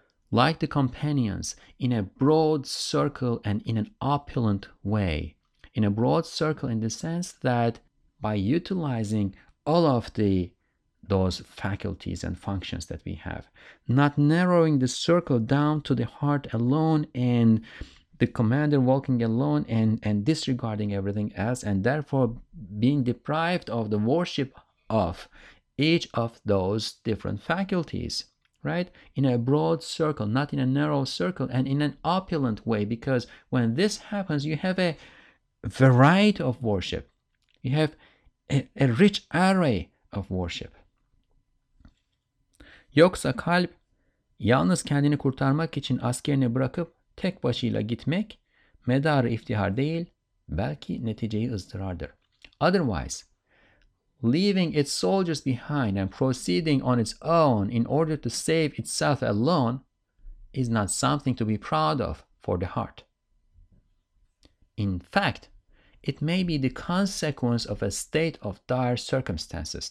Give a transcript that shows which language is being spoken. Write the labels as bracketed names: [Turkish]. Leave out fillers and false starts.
[English] Like the companions, in a broad circle and in an opulent way, in a broad circle in the sense that by utilizing all of those faculties and functions that we have, not narrowing the circle down to the heart alone and the commander walking alone and disregarding everything else, and therefore being deprived of the worship of each of those different faculties, right? In a broad circle, not in a narrow circle, and in an opulent way, because when this happens, you have a variety of worship. You have a rich array of worship. [Turkish] Yoksa kalp yalnız kendini kurtarmak için askerini bırakıp tek başıyla gitmek medarı iftihar değil, belki neticeyi ızdırardır. [English] Otherwise, leaving its soldiers behind and proceeding on its own in order to save itself alone is not something to be proud of for the heart. In fact, it may be the consequence of a state of dire circumstances.